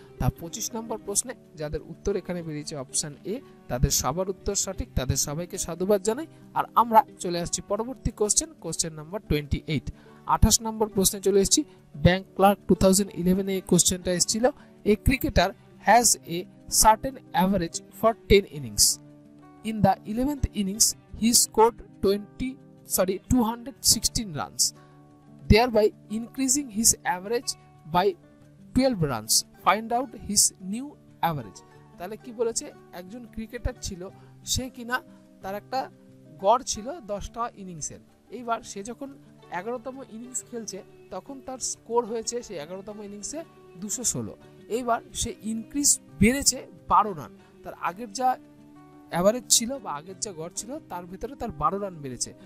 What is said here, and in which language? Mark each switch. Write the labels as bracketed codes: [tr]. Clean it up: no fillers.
[bn] তা 25 নম্বর প্রশ্নে যাদের উত্তর এখানে বেরিয়েছে অপশান এ, তাদের সবার উত্তর সঠিক, তাদের সবাইকে সাধুবাদ জানাই, আর আমরা চলে আসছি পরবর্তী কোশ্চেন, কোশ্চেন নম্বর 28। 28 নম্বর প্রশ্নে চলে এসেছি, ব্যাংক ক্লার্ক 2011 এই কোশ্চেনটা এসেছিল। [en] A cricketer has a certain average for 10 innings. In the 11th innings, he scored 216 runs, thereby increasing his average by 12 runs. Find out his new average. [bn] তাহলে কি বলেছে, একজন ক্রিকেটার ছিল সে কিনা, তার একটা গড় ছিল 10টা ইনিংসের, এইবার সে যখন 11তম ইনিংস খেলছে তখন তার স্কোর হয়েছে সেই 11তম ইনিংসে 216, এইবার সে ইনক্রিজ বেড়েছে 12 রান, তার আগের যা অ্যাভারেজ ছিল বা আগের যা গড় ছিল তার ভিতরে তার 12 রান বেড়েছে।